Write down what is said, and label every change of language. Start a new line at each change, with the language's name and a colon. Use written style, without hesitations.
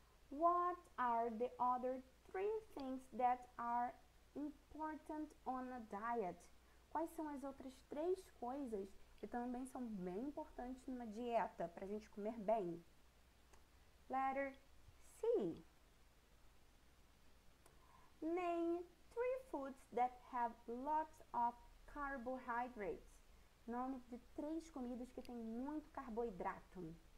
English: What are the other three things that are important on a diet?
Portuguese: Quais são as outras três coisas que também são bem importantes numa dieta para a gente comer bem?
English: Letter C. Name three foods that have lots of carbohydrates.
Portuguese: Nome de três comidas que têm muito carboidrato.